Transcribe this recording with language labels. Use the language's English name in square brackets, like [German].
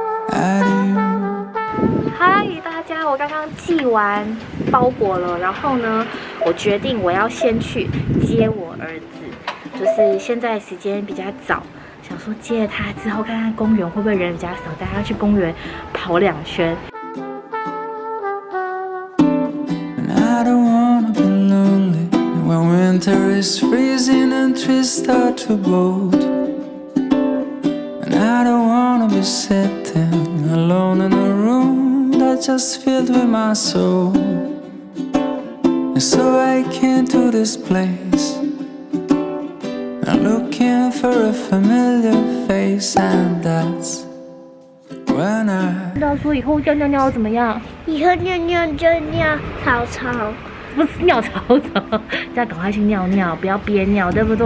[Chinese] 嗨大家，我刚刚寄完包裹了，然后呢我决定我要先去接我儿子，就是现在时间比较早，想说接了他之后看看公园会不会人比较少，带他去公园跑两圈。 [English] And I don't wanna be lonely when winter is freezing and trees start to bold. And I don't wanna be sitting alone in a room. Just filled with my soul, and so I came to this place. I'm looking for a familiar face, and that's when I. [Chinese] 不知道说以后尿尿尿怎么样？以后尿尿就尿草草，不是尿草草，要赶快去尿尿，不要憋尿，对不对？